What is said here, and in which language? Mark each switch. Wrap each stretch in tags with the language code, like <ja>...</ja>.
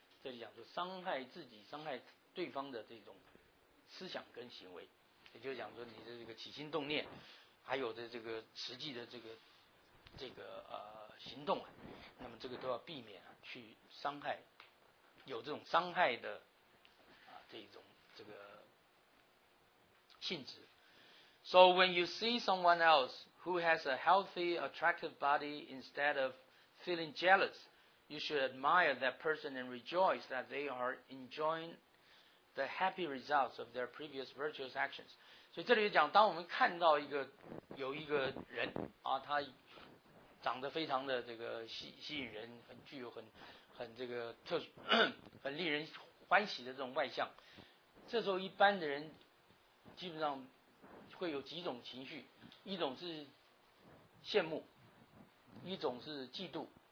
<zh>这里讲说伤害自己、伤害对方的这种思想跟行为，也就是讲说你的这个起心动念，还有的这个实际的这个行动啊，那么这个都要避免啊，去伤害有这种伤害的啊这种这个性质。</zh> <en>So when you see someone else who has a healthy, attractive body, instead of feeling jealous. You should admire that person and rejoice that they are enjoying the happy results of their previous virtuous actions.</en> <zh>所以这里讲，当我们看到一个有一个人啊，他长得非常的这个吸引人，很具有很这个特殊很令人欢喜的这种外向，这时候一般的人基本上会有几种情绪，一种是羡慕，一种是嫉妒。</zh>